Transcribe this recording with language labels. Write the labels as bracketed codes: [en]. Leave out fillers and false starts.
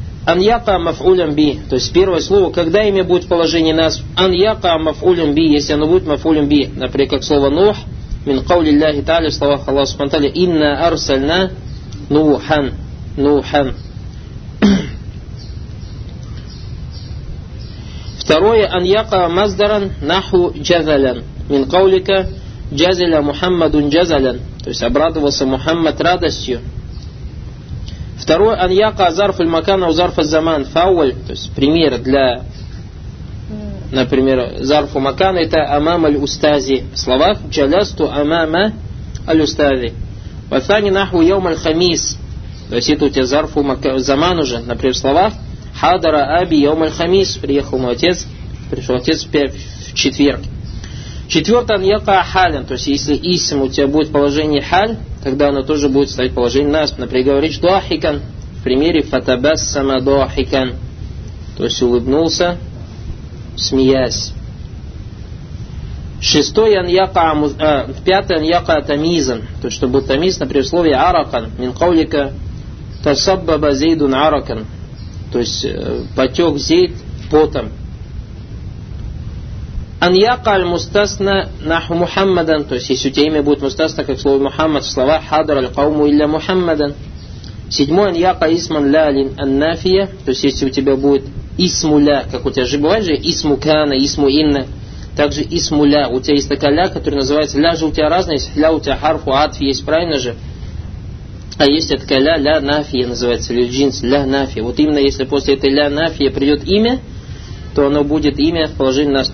[ar] أن يقع مفعولا بي، [ru] то есть первое слово, когда имя будет в положении нас, أن يقع مفعولا بي, если оно будет مفعولا بي, например, как слово نوح, من قول الله تعالى, в словах Аллаха Субхану Тааля, [ar] إِنَّا أَرْسَلْنَا نُوحًا نُوحًا. Второе, أن يقع مصدرا نحو جزلا, من قولك جزل محمد جزلا, [ru] то есть обрадовался Мухаммад радостью. [ar] Второе, أن يقع ظرف المكان أو ظرف الزمان فأول, [ru] то есть пример для, например, [ar] ظرف المكان это أمام الأستاذ, в словах جلست أمام الأستاذ. [ru] وثاني نحو يوم الخميس, то есть это у тебя ظرف زمان уже, например, в словах [ar] حضر أبي يوم الخميس, [ru] приехал мой отец, пришел отец в четверг. Четвертое, [ar] أن يقع حالا, [ru] то есть если اسم у тебя будет положение حال, тогда оно тоже будет стоять в положении нас. Например, говоришь «дуахикан» в примере [ar] «фатабассама дуахикан», [ru] то есть улыбнулся, смеясь. Шестой, пятый, «аньяка тамизан», то есть чтобы тамиз, например, в слове «аракан», [ar] «мин каулика тасаббаба зейдун аракан», [ru] то есть потек зейд потом. [ar] أن يقع المستثنى نحو محمدا, [ru] то есть если у тебя имя будет [ar] مستثنى как слово محمد, слова حضر القوم إلا محمدا. [ru] Седьмой, [ar] أن يقع اسما لا للنافية, [ru] то есть если у тебя будет اسم لا, как у тебя же бывает же اسم كان, اسم إن, также اسم لا, у тебя есть такая ля, которая называется ля, же у тебя разная, есть ля у тебя حرف عطف есть, правильно же, а есть такая ля, ля нафия называется, или джинс, ля нафия, вот именно если после этой ля нафия придет имя, то оно будет имя в положении нас.